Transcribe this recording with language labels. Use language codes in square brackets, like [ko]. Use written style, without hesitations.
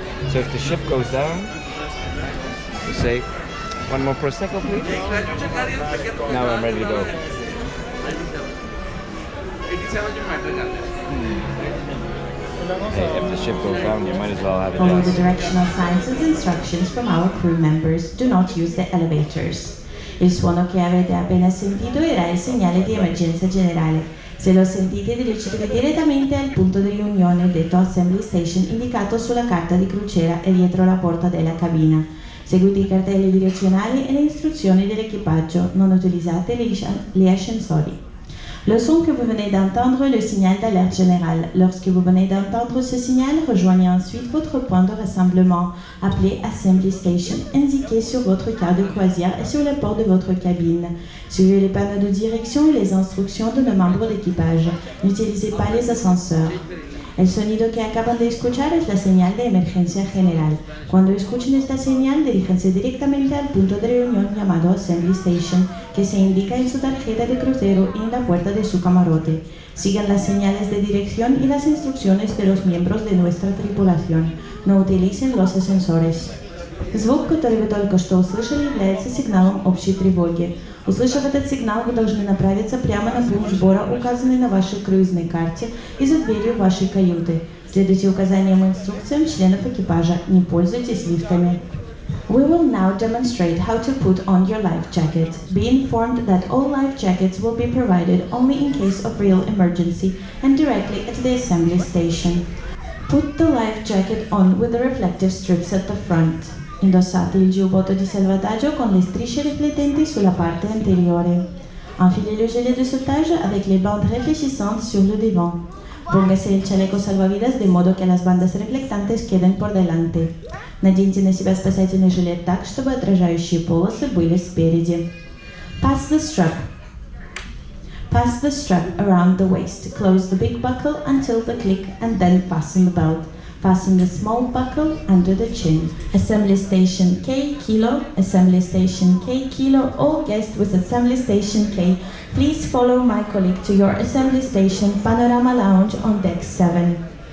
[en] So if the ship goes down, you say, one more prosecco, please. Now I'm ready to go. Hey, if the ship goes down, you might as well have a Follow the directional signs and instructions from our crew members. Do not use the elevators. [it] Il suono che avete appena sentito era il segnale di emergenza generale. Se lo sentite, dirigetevi direttamente al punto di riunione, detto assembly station, indicato sulla carta di crociera e dietro la porta della cabina. Seguite i cartelli direzionali e le istruzioni dell'equipaggio. Non utilizzate gli ascensori. [fr] Lorsque vous venez d'entendre le signal d'alerte général, lorsque vous venez d'entendre ce signal, rejoignez ensuite votre point de rassemblement, appelé Assembly Station, indiqué sur votre carte de croisière et sur la porte de votre cabine. Suivez les panneaux de direction et les instructions de nos membres d'équipage. N'utilisez pas les ascenseurs. [es] El sonido que acaban de escuchar es la señal de emergencia general. Cuando escuchen esta señal, diríjanse directamente al punto de reunión llamado Assembly Station, que se indica en su tarjeta de crucero y en la puerta de su camarote. Sigan las señales de dirección y las instrucciones de los miembros de nuestra tripulación. No utilicen los ascensores. [ru] Звук, который вы только что услышали, является сигналом общей тревоги. Услышав этот сигнал, вы должны направиться прямо на пункт сбора, указанный на вашей круизной карте и за дверью вашей каюты. Следуйте указаниям и инструкциям членов экипажа. Не пользуйтесь лифтами. [en] We will now demonstrate how to put on your life jacket. Be informed that all life jackets will be provided only in case of real emergency and directly at the assembly station. Put the life jacket on with the reflective strips at the front. [it] Indossate il giubbotto di salvataggio con le strisce riflettenti sulla parte anteriore. [fr] Enfilez le gilet de sauvetage avec les bandes réfléchissantes sur le devant. [es] Pongasi il chaleco salvavidas de modo che las bandas reflectantes queden por delante. [ru] Наденьте на себя спасательный жилет так, чтобы отражающие полосы были спереди. [en] Pass the strap around the waist. Close the big buckle until the click and then fasten the belt. Fasten the small buckle under the chin. Assembly station K kilo, assembly station K kilo, all guests with assembly station K, please follow my colleague to your assembly station panorama lounge on deck 7.